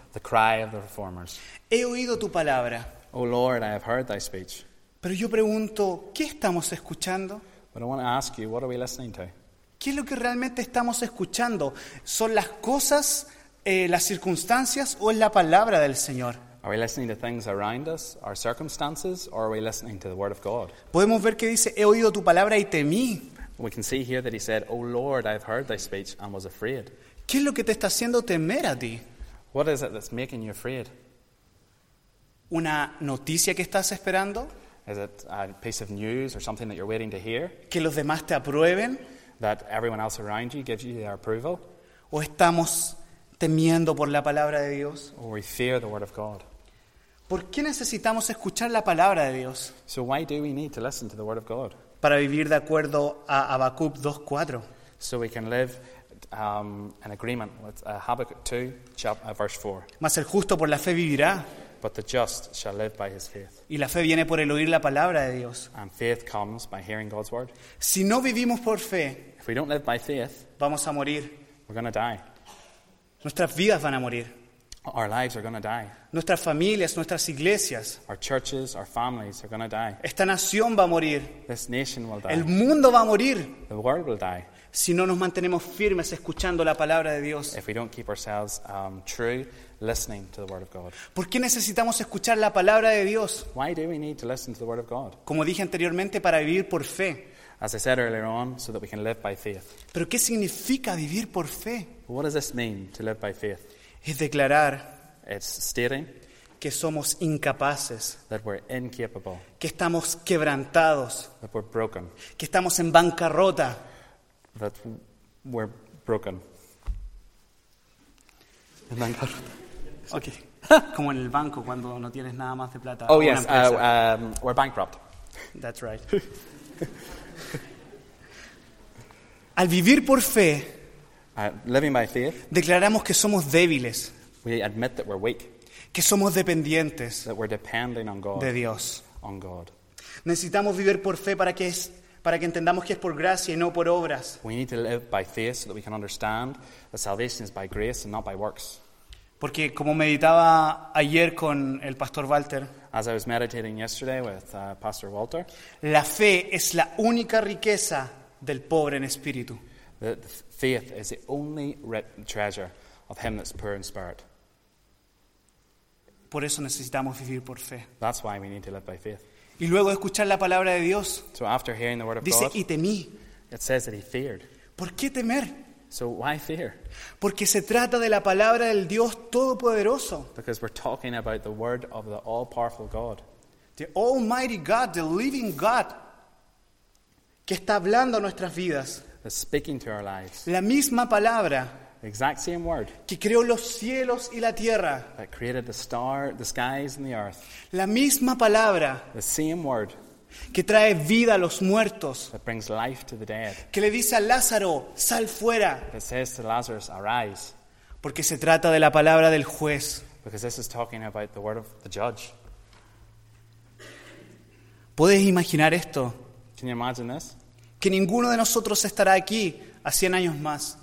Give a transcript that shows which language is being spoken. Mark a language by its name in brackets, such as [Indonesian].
[English] The cry of the reformers. [Spanish] He oído tu palabra. [English] Oh Lord, I have heard thy speech. [Spanish] Pero yo pregunto, ¿qué estamos escuchando? [English] But I want to ask you, what are we listening to? [Spanish] ¿Qué es lo que realmente estamos escuchando? ¿Son las cosas, las circunstancias o es la palabra del Señor? [English] Are we listening to things around us, our circumstances, or are we listening to the word of God? [Spanish] Podemos ver que dice, he oído tu palabra y temí. [English] We can see here that he said, Oh Lord, I have heard thy speech and was afraid. [Spanish] ¿Qué es lo que te está haciendo temer a ti? [English] What is it that's making you afraid? [Spanish] ¿Una noticia que estás esperando? [English] Is it a piece of news or something that you're waiting to hear? [Spanish] ¿Que los demás te aprueben? [English] That everyone else around you gives you their approval? [Spanish] ¿O estamos temiendo por la palabra de Dios? [English] Or we fear the word of God. [Spanish] ¿Por qué necesitamos escuchar la palabra de Dios? [English] So why do we need to listen to the word of God? [Spanish] Para vivir de acuerdo a Habacuc 2:4. [English] So we can live an agreement with Habakkuk 2, verse 4. [Spanish] Mas el justo por la fe vivirá. [English] But the just shall live by his faith. [Spanish] Y la fe viene por el oír la palabra de Dios. [English] And faith comes by hearing God's word. [Spanish] Si no vivimos por fe, [English] if we don't live by faith, [Spanish] vamos a morir. [English] We're going to die. [Spanish] Nuestras vidas van a morir. [English] Our lives are going to die. [Spanish] Nuestras familias, nuestras iglesias. [English] Our churches, our families are going to die. [Spanish] Esta nación va a morir. [English] This nation will die. [Spanish] El mundo va a morir. [English] The world will die. [Spanish] Si no nos mantenemos firmes escuchando la palabra de Dios. [English] If we don't keep ourselves true, listening to the word of God. [Spanish] ¿Por qué necesitamos escuchar la palabra de Dios? [English] Why do we need to listen to the word of God? [Spanish] Como dije anteriormente, para vivir por fe. [English] As I said earlier on, so that we can live by faith. [Spanish] ¿Pero qué significa vivir por fe? [English] What does this mean to live by faith? [Spanish] Es declarar. [English] It's stating. [Spanish] Que somos incapaces. [English] That we're incapable. [Spanish] Que estamos quebrantados. [English] That we're broken. [Spanish] Que estamos en bancarrota. [English] That we're broken. [Spanish] En bancarrota. Okay. Como en el banco cuando no tienes nada más de plata. [English] Oh yes, we're bankrupt. That's right. [Spanish] Al vivir por fe. [English] Living by faith. [Spanish] Declaramos que somos débiles. [English] We admit that we're weak. [Spanish] que somos dependientes de Dios. [English] On God. [Spanish] Necesitamos vivir por fe para que entendamos que es por gracia y no por obras. [English] We need to live by faith so that we can understand that salvation is by grace and not by works. [Spanish] Porque como meditaba ayer con el pastor Walter, [English] as I was meditating yesterday with Pastor Walter, [Spanish] la fe es la única riqueza del pobre en espíritu. [English] The faith is the only treasure of him that's poor in spirit. [Spanish] Por eso necesitamos vivir por fe. [English] That's why we need to live by faith. [Spanish] Y luego escuchar la palabra de Dios. [English] So after hearing the word of [Spanish] dice, [English] God, [Spanish] dice y temí. [English] It says that he feared. [Spanish] ¿Por qué temer? [English] So why fear? [Spanish] Porque se trata de la palabra del Dios todopoderoso. [English] Because we're talking about the word of the all-powerful God. The Almighty God, the Living God, [Spanish] que está hablando a nuestras vidas. [English] Is speaking to our lives. [Spanish] La misma palabra. [English] The exact same word. [Spanish] Que creó los cielos y la tierra. [English] That created the star, the skies and the earth. [Spanish] La misma palabra. [English] The same word. [Spanish] Que trae vida a los muertos. [English] That brings life to the dead. [Spanish] Que le dice a Lázaro, sal fuera. [English] That says to Lazarus, arise. [Spanish] Porque se trata de la palabra del juez. [English] Because this is talking about the word of the judge. [Spanish] ¿Puedes imaginar esto? [English] Can you imagine this? [Spanish] Que ninguno de nosotros estará aquí a 100 años más.